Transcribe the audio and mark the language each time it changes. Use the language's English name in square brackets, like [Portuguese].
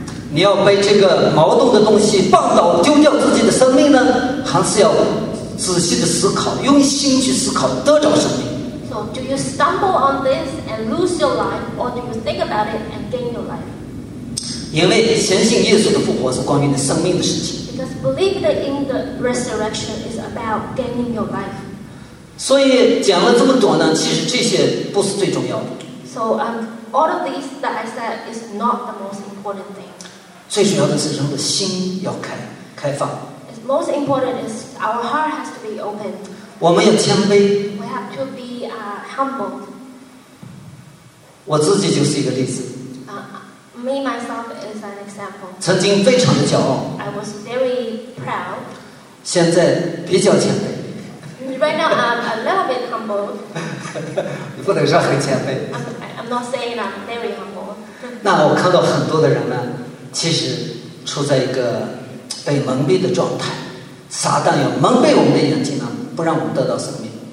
[Chinese] 你要被这个矛盾的东西绊倒，丢掉自己的生命呢，还是要仔细的思考，用心去思考，得着生命。 [English] So do you stumble on this and lose your life, or do you think about it and gain your life? [Chinese] 因为相信耶稣的复活是关于你生命的事情。 [English] Because believing in the resurrection is about gaining your life. [Chinese] 所以讲了这么多呢，其实这些不是最重要的。 [English] So All of these that I said is not the most important thing. [Chinese] 最主要的是人的心要开放。 [English] It's most important is our heart has to be open. [Chinese] 我们要谦卑。 [English] We have to be humble. [Chinese] 我自己就是一个例子。 [English] Me myself is an example. [Chinese] 曾经非常的骄傲。 [English] I was very proud. [Chinese] 现在比较谦卑。 [English] Right now I'm a little bit humble. [Chinese] 你不能说很谦卑。 [English] Not saying I'm very humble. [Chinese] 那我看到很多的人呢，其实处在一个被蒙蔽的状态，撒旦要蒙蔽我们的眼睛呢，不让我们得到生命。